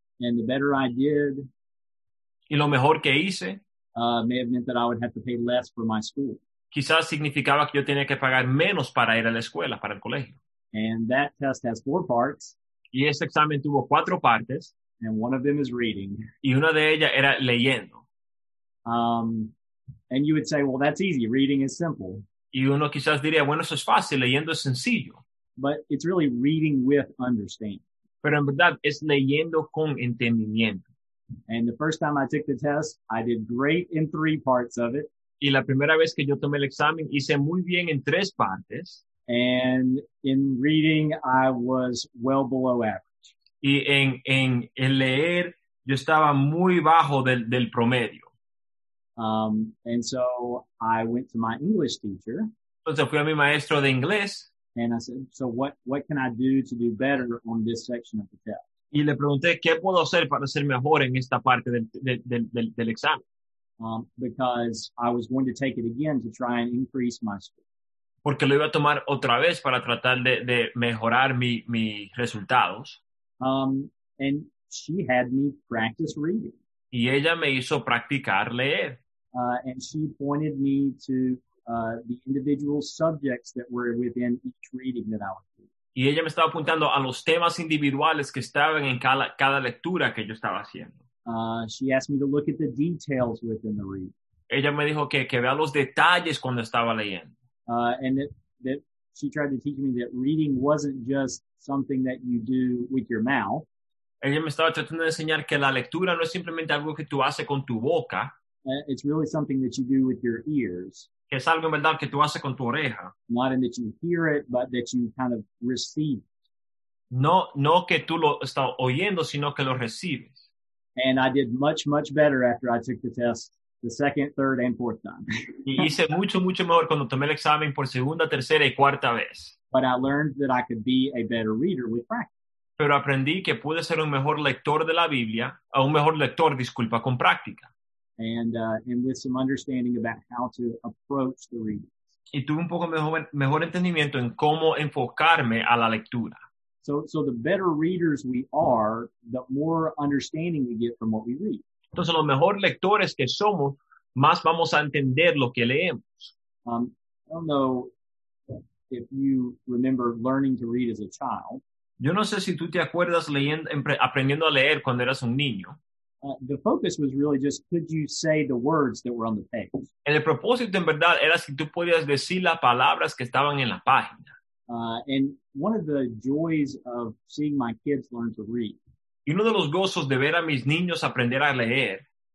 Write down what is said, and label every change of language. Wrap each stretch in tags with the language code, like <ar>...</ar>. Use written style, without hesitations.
<en>And the better I did,</en> <es>y lo mejor que hice,</es> <en>may have meant that I would have to pay less for my school.</en> <es>Quizás significaba que yo tenía que pagar menos para ir a la escuela, para el colegio.</es> <en>And that test has four parts.</en> <es>Y ese examen tuvo cuatro partes.</es> <en>And one of them is reading.</en> <es>Y una de ellas era leyendo.</es> <en>And you would say, well, that's easy. Reading is simple.</en> <es>Y uno quizás diría, bueno, eso es fácil. Leyendo es sencillo.</es> <en>But it's really reading with understanding.</en> <es>Pero en verdad es leyendo con entendimiento.</es> <en>And the first time I took the test, I did great in three parts of it.</en> <es>Y la primera vez que yo tomé el examen, hice muy bien en tres partes.</es> <en>And in reading, I was well below average.</en> <es>Y en leer, yo estaba muy bajo del promedio.</es> <en>And so I went to my English teacher.</en> <es>Entonces fui a mi maestro de inglés.</es> <en>And I said, so what can I do to do better on this section of the test?</en> <es>Y le pregunté, ¿qué puedo hacer para ser mejor en esta parte del examen?</es> <en>Because I was going to take it again to try and increase my score.</en> <es>Porque lo iba a tomar otra vez para tratar de mejorar mis resultados.</es> <en>And she had me practice reading.</en> <es>Y ella me hizo practicar leer.</es> <en>And she pointed me to the individual subjects that were within each reading that I was reading.</en> <es>Y ella me estaba apuntando a los temas individuales que estaban en cada lectura que yo estaba haciendo.</es> <en>She asked me to look at the details within the reading.</en> <es>Ella me dijo que vea los detalles cuando estaba leyendo.</es> <en>And that she tried to teach me that reading wasn't just something that you do with your mouth.</en> <es>Ella me estaba tratando de enseñar que la lectura no es simplemente algo que tú haces con tu boca.</es> <en>It's really something that you do with your ears.</en> <es>Que es algo en verdad que tú haces con tu oreja.</es> <en>Not in that you hear it, but that you kind of receive it.</en> <es>No que tú lo estás oyendo, sino que lo recibes.</es> <en>And I did much, much better after I took the test the second, third, and fourth time.</en> <es>Y hice mucho, mucho mejor cuando tomé el examen por segunda, tercera y cuarta vez.</es> <en>But I learned that I could be a better reader with practice.</en> <es>Pero aprendí que pude ser un mejor lector de la Biblia, o un mejor lector, disculpa, con práctica.</es> <en>And with some understanding about how to approach the readings.</en> <es>Y tuve un poco mejor entendimiento en cómo enfocarme a la lectura.</es> <en>So the better readers we are, the more understanding we get from what we read.</en> <es>Entonces, los mejores lectores que somos, más vamos a entender lo que leemos.</es> <en>I don't know if you remember learning to read as a child.</en> <es>Yo no sé si tú te acuerdas aprendiendo a leer cuando eras un niño.</es> <en>The focus was really just, could you say the words that were on the page?</en> <es>El propósito en verdad era si tú podías decir las palabras que estaban en la página.</es> <en>And one of the joys of seeing my kids learn to read.</en> <es>Y uno de los gozos de ver a mis niños aprender a leer.</es>